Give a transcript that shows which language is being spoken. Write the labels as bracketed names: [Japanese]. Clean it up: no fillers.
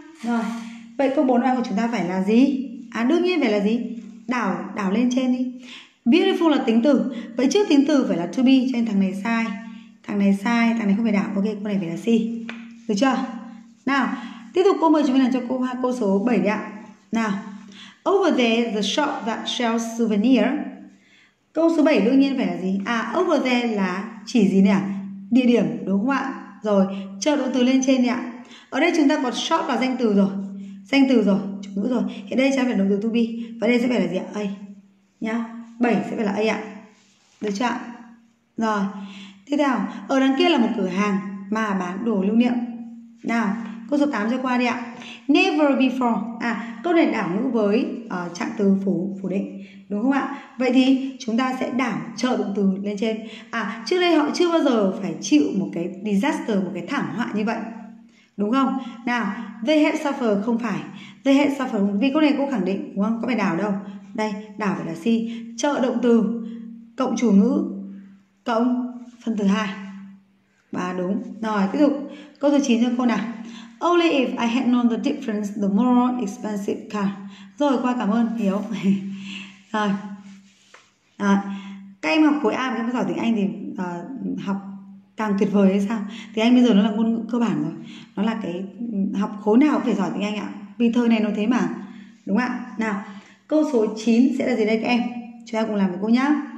[Vietnamese] Rồi, vậy câu 4 của chúng ta phải là gì? À, đương nhiên phải là gì? Đảo, đảo lên trên đi. Beautiful là tính từ. Vậy trước tính từ phải là to be, cho nên thằng này sai. Thằng này sai, thằng này không phải đảo. Ok, câu này phải là C. Được chưa? Nào, tiếp tục cô mời chúng mình làm cho cô hoa câu số 7 đi ạ. [English] Nào, over there the shop that sells souvenir. [Vietnamese] Câu số 7 đương nhiên phải là gì? À, [English] over there [Vietnamese] là chỉ gì nè? Địa điểm, đúng không ạ? Rồi, chờ động từ lên trên đi ạ. Ở đây chúng ta có shop là danh từ rồi. Danh từ rồi, chủ ngữ rồi. Hiện đây sẽ phải động từ to be. Và đây sẽ phải là gì ạ? A. Nhá. 7 sẽ phải là A ạ. Được chưa ạ? Rồi, tiếp theo. Ở đằng kia là một cửa hàng mà bán đồ lưu niệm. Nào, câu số 8 cho qua đi ạ. [English] Never before. [Vietnamese] À, câu này đảo ngữ với trạng từ phủ định, đúng không ạ? Vậy thì chúng ta sẽ đảo trợ động từ lên trên. À, trước đây họ chưa bao giờ phải chịu một cái disaster, một cái thảm họa như vậy, đúng không? Nào, [English] they had suffered, [Vietnamese] không phải. [English] They had suffered, [Vietnamese] vì câu này cô khẳng định, đúng không? Có phải đảo đâu. Đây, đảo phải là C. Trợ động từ cộng chủ ngữ cộng phần từ 2. Và đúng. Rồi, tiếp tục. Câu số 9 cho cô nào. [English] Only if I had known the difference, the more expensive car. [Vietnamese] Rồi, qua, cảm ơn, Hiếu. Rồi. À, các em học khối A và em giỏi tiếng Anh thì học càng tuyệt vời hay sao? Tiếng Anh bây giờ nó là ngôn ngữ cơ bản rồi. Nó là cái học khối nào cũng phải giỏi tiếng Anh ạ. Vì thời này nó thế mà. Đúng ạ? Nào, câu số 9 sẽ là gì đây các em? Chúng ta cùng làm với cô nhá.